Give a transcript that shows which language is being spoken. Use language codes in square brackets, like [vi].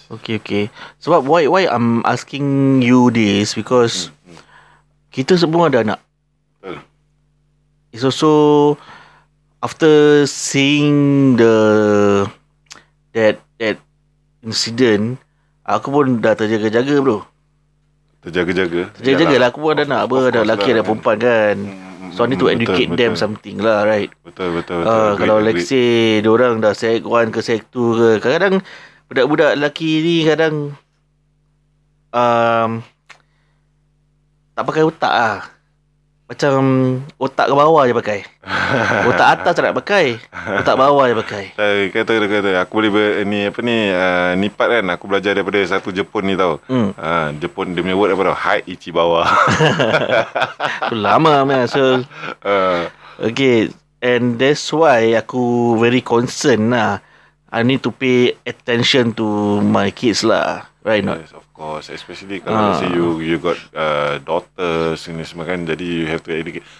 [en] Okay. Sebab so, why I'm asking you this, because [ms] kita semua ada anak. Betul. [en] It's also after seeing that incident, [ms] aku pun dah terjaga-jaga [en] bro. [ms] Terjaga-jaga. Terjaga-jaga lah. Aku pun ada nak apa, ada lelaki, ada perempuan kan. [en] So, I need to educate them something lah, right? [ms] Betul. Kalau let's say, diorang dah sec 1 ke sec 2 ke, kadang-kadang budak-budak lelaki ni kadang tak pakai otak lah. Macam otak ke bawah je pakai. Otak atas tak nak pakai. Otak bawah je pakai. Kata-kata, aku boleh ni apa ni, nipat kan, aku belajar daripada satu Jepun ni tau. Jepun dia punya word apa tau? Hai ichi bawah. Tu lama man. [en] So, okay, and that's why aku very concerned lah. I need to pay attention to my kids lah. Right now. Yes, of course. Especially kalau say you got daughters ni semua kan. [ms] Jadi [en] you have to educate.